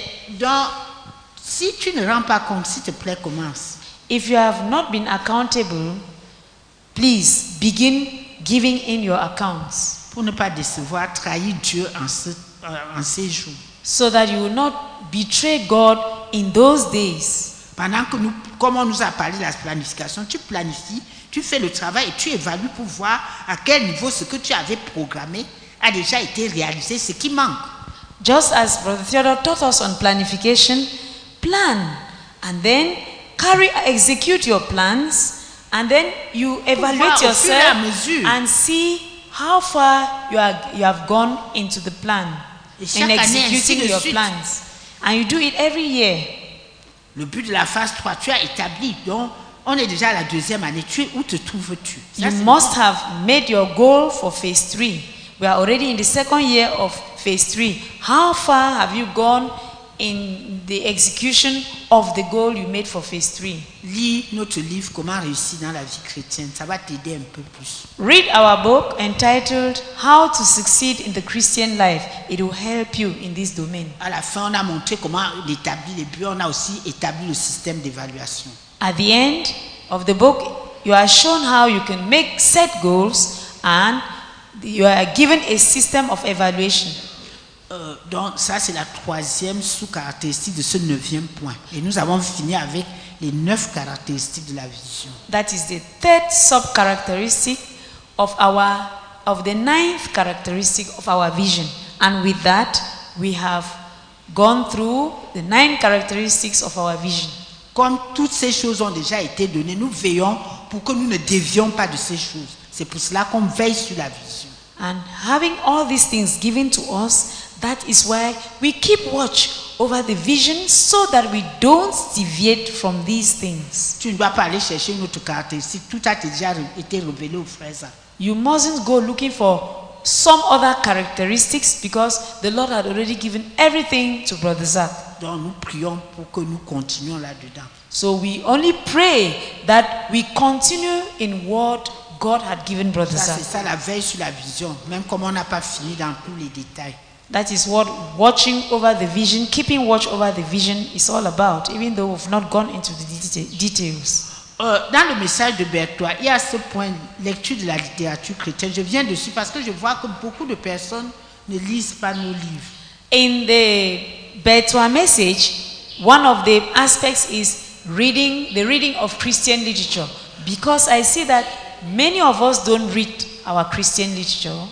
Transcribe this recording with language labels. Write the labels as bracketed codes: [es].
[fr] Donc, si tu ne rends pas compte, s'il te plaît, commence. [en] If you have not been accountable, please begin giving in your accounts. [fr] Pour ne pas décevoir, trahir Dieu en ces jours. [en] So that you will not betray God in those days. [fr] Pendant que nous, comme on nous a parlé de la planification, tu planifies, tu fais le travail et tu évalues pour voir à quel niveau ce que tu avais programmé a déjà été réalisé, ce qui manque. [en] Just as Brother Theodore taught us on planification, plan and then carry, execute your plans and then you evaluate yourself and see how far you have gone into the plan in executing your plans. And you do it every year. [fr] Le but de la phase 3, tu as établi, donc on est déjà à la deuxième année, tu es où te trouves-tu? [en] You must have made your goal for phase 3. We are already in the second year of phase 3. How far have you gone in the execution of the goal you made for phase 3? [fr] Lis notre livre, Comment réussir dans la vie chrétienne, ça va t'aider un peu plus. [en] Read our book entitled How to Succeed in the Christian Life. It will help you in this domain. [fr] À la fin, on a montré comment d'établir les buts, on a aussi établi le système d'évaluation. [en] At the end of the book, you are shown how you can make set goals and you are given a system of evaluation. [fr] Donc, ça, c'est la troisième sous-caractéristique de ce neuvième point. Et nous avons fini avec les neuf caractéristiques de la vision. [en] That is the third sub-characteristic of the ninth characteristic of our vision. And with that, we have gone through the nine characteristics of our vision. [fr] Comme toutes ces choses ont déjà été données, nous veillons pour que nous ne dévions pas de ces choses. C'est pour cela qu'on veille sur la vision. [en] And having all these things given to us, that is why we keep watch over the vision so that we don't deviate from these things. [fr] Tu ne dois pas aller chercher une autre caractéristique. Tout a déjà été révélé aux frères. [en] You mustn't go looking for some other characteristics because the Lord had already given everything to Brother Zach. [fr] Donc nous prions pour que nous continuions là-dedans. [en] So we only pray that we continue in what God had given Brother Zach. [fr] C'est ça la veille sur la vision, même comme on n'a pas fini dans tous les détails. [en] That is what watching over the vision, keeping watch over the vision is all about, even though we've not gone into the details. [fr] Dans le message de Bertois, il y a ce point, lecture de la littérature chrétienne. Je viens dessus parce que je vois que beaucoup de personnes ne lisent pas nos livres. [en] In the Bertois message, one of the aspects is reading, the reading of Christian literature. Because I see that many of us don't read our Christian literature.